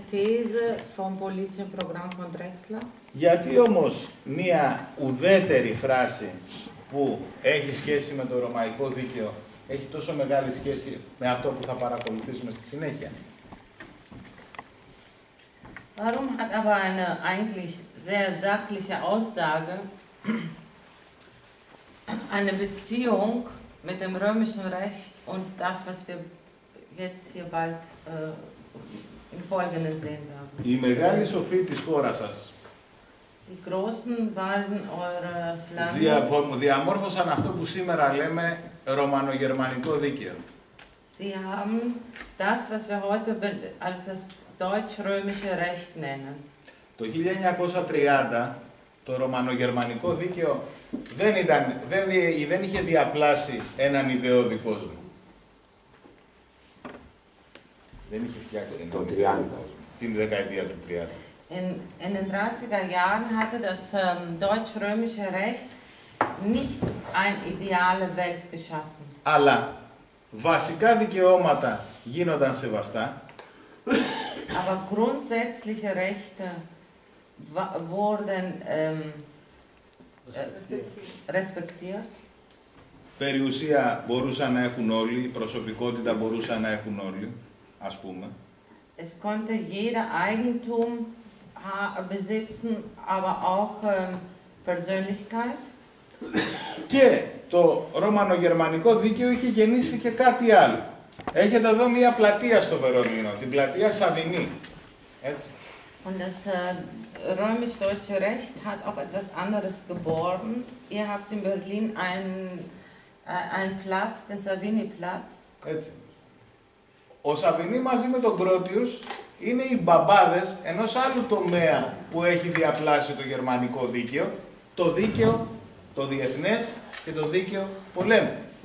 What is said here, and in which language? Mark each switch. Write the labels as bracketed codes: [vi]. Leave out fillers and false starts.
[de] These vom politischen Programm von Drexler. [el] Γιατί όμως μία ουδέτερη φράση που έχει σχέση με το ρωμαϊκό δίκαιο έχει τόσο μεγάλη σχέση με αυτό που θα παρακολουθήσουμε στη συνέχεια. [de] Warum hat aber eine eigentlich sehr sachliche Aussage eine Beziehung mit dem römischen Recht und das, was wir jetzt hier bald im Folgenden sehen werden? [el] Η μεγάλη σοφή της χώρας σας. [de] Die großen Weisen eures Landes. [el] Διαμόρφωσαν αυτό που σήμερα λέμε ρωμανογερμανικό δίκαιο. [de] Sie haben das, was wir heute als das deutsch-römische Recht nennen. [el] Το 1930 το ρωμανογερμανικό δίκαιο δεν είχε διαπλάσει έναν ιδεώδη κόσμο. Δεν είχε φτιάξει έναν ιδεώδη την δεκαετία του 30. [de] In den 30er Jahren hatte das deutsch-römische Recht nicht eine ideale Welt geschaffen. [el] Αλλά βασικά δικαιώματα γίνονταν σεβαστά. [de] Aber grundsätzliche Rechte wurden respektiert. [el] Περιουσία μπορούσαν να έχουν όλοι, προσωπικότητα μπορούσαν να έχουν όλοι, ας πούμε. [de] Es konnte jeder Eigentum besitzen, aber auch Persönlichkeit. [el] Και το ρωμανογερμανικό δίκαιο είχε γεννήσει και κάτι άλλο. Έχετε εδώ μία πλατεία στο Βερολίνο, την πλατεία Σαβινή. Έτσι. [de] Und das römisch-deutsche Recht hat auch etwas anderes geboren. Ihr habt in Berlin einen Platz, den Savini-Platz. [el] Έτσι. Ο Σαβινή μαζί με τον Κρότιους είναι οι μπαμπάδες ενός άλλου τομέα που έχει διαπλάσει το γερμανικό δίκαιο, το δίκαιο το διεθνές και το δίκαιο πολέμου.